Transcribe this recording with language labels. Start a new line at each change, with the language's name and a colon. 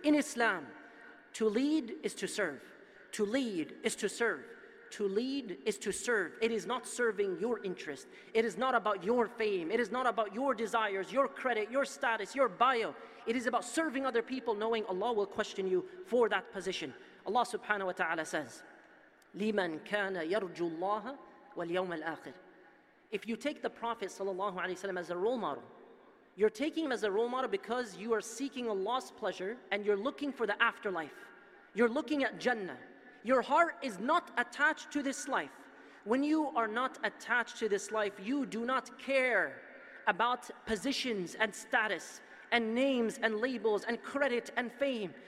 English: In Islam, to lead is to serve. To lead is to serve. To lead is to serve. It is not serving your interest. It is not about your fame. It is not about your desires, your credit, your status, your bio. It is about serving other people, knowing Allah will question you for that position.
Arabic: Allah subhanahu wa ta'ala says, لِمَنْ كَانَ يَرْجُ اللَّهَ وَالْيَوْمَ الْآخِرِ.
English: If you take the Prophet sallallahu alaihi wasallam as a role model, you're taking him as a role model because you are seeking Allah's pleasure and you're looking for the afterlife. You're looking at Jannah. Your heart is not attached to this life. When you are not attached to this life, you do not care about positions and status and names and labels and credit and fame.